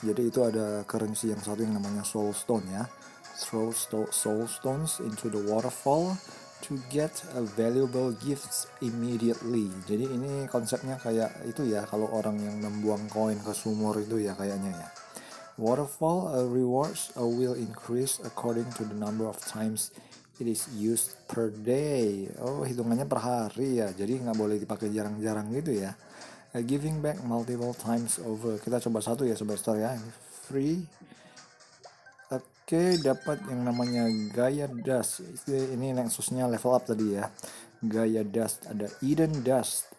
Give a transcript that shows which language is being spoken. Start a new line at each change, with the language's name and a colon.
Indonesian: Jadi itu ada currency yang satu yang namanya Soul Stone ya.
English: Throw Soul Stones into the waterfall to get a valuable gifts immediately.
Indonesian: Jadi ini konsepnya kayak itu ya, kalau orang yang membuang koin ke sumur itu ya kayaknya ya.
English: Waterfall rewards will increase according to the number of times it is used per day.
Indonesian: Oh, hitungannya per hari ya. Jadi nggak boleh dipakai jarang-jarang gitu ya.
English: Giving back multiple times over.
Indonesian: Kita coba satu ya sobat store ya. Free. Oke, dapat yang namanya Gaia Dust. Ini nexusnya level up tadi ya. Gaia Dust, ada Eden Dust.